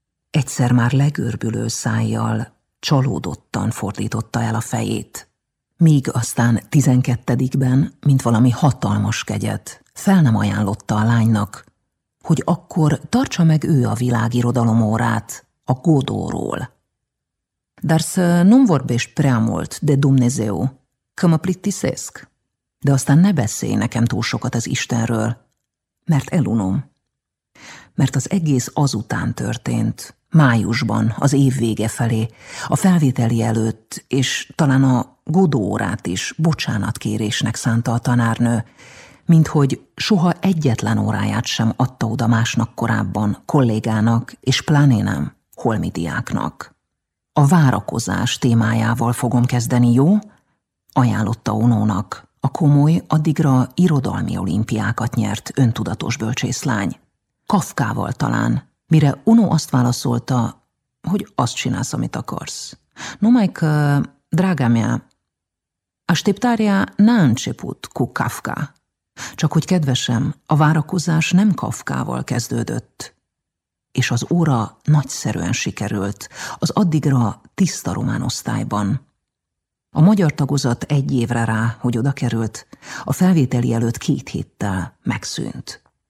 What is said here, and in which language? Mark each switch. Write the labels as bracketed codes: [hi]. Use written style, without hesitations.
[hu] Egyszer már legörbülő szájjal csalódottan fordította el a fejét, míg aztán 12-ben, mint valami hatalmas kegyet, fel nem ajánlotta a lánynak, hogy akkor tartsa meg ő a világirodalom órát a Godóról. [ro] Dar să nu vorbești prea mult de Dumnezeu, că mă plictisesc. [hu] De aztán ne beszélj nekem túl sokat az Istenről, mert elunom. Mert az egész azután történt, májusban, az év vége felé, a felvételi előtt, és talán a Godóórát is bocsánatkérésnek szánta a tanárnő, minthogy soha egyetlen óráját sem adta oda másnak korábban, kollégának, és pláne nem holmi diáknak. A várakozás témájával fogom kezdeni, jó? Ajánlotta Onónak a komoly, addigra irodalmi olimpiákat nyert öntudatos bölcsészlány. Kafkával talán, mire Ono azt válaszolta, hogy azt csinálsz, amit akarsz. [ro] Numai că, draga mea, așteptarea n-a început cu Kafka. [hu] Csak hogy kedvesem, a várakozás nem Kafkával kezdődött. És az óra nagyszerűen sikerült, az addigra tiszta román osztályban. A magyar tagozat egy évre rá, hogy oda került, a felvételi előtt két héttel megszűnt.